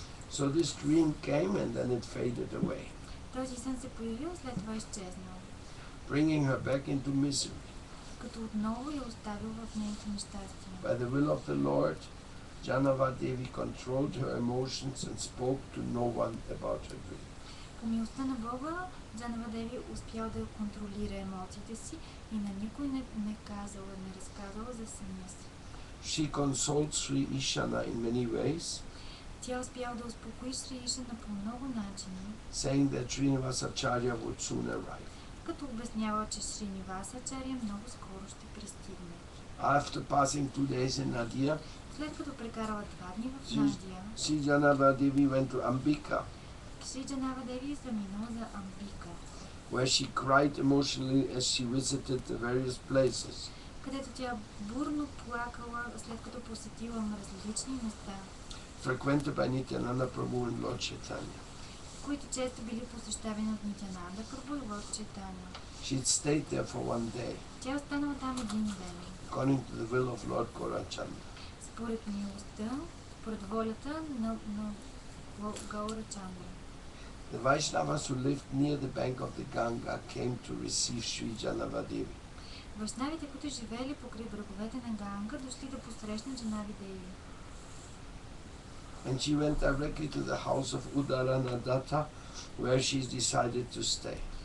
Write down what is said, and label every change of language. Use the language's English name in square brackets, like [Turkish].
[English] So this dream came and then it faded away. [Bulgarian] Този сън се появил, след това изчезнал. [English] Bringing her back into misery. [Bulgarian] Като отново я оставил в нейното нещастие. [English] By the will of the Lord, Janava Devi controlled her emotions and spoke to no one about her dream. [Bulgarian] По милостта на Бога, Джанава Деви успял да контролира емоциите си и на никой не казала, не разказала за съня си. [English] She consoled Sri Ishana in many ways. [Bulgarian] Тя успял да успокои Sri Ishana по много начини. [English] Saying that Srinivasa Acharya would soon arrive. [Bulgarian] Като обяснява, че Srinivasa Acharya много скоро ще пристигне. [English] After passing 2 days in Nadia, [Bulgarian] след като прекарала 2 дни в Нандия, [English] Sri Janava Devi went to Ambika. [Bulgarian] Sri Janava Devi заминала за Амбика. [English] Where she cried emotionally as she visited the various places. [Bulgarian] Където тя бурно плакала, след като посетила различни места. [English] Frequented by Nityananda Prabhu and Lord Chaitanya. [Bulgarian] Които често били посещавани от Nityananda Prabhu и Lord Chaitanya. [English] She stayed there for one day. [Bulgarian] Тя останала там един ден. [English] According to the will of Lord Gaurachandra. [Bulgarian] Според милостта, пред волята на Гаурачандра. [English] The Vaishnavas who lived near the bank of the Ganga came to receive Sri Janava Devi. [Bulgarian] Вайшнавите, които живели покрай бреговете на Ганга, дошли да посрещнат Джанави Деви. [English] And she went directly to the house of Udarana Datta, where she decided to stay.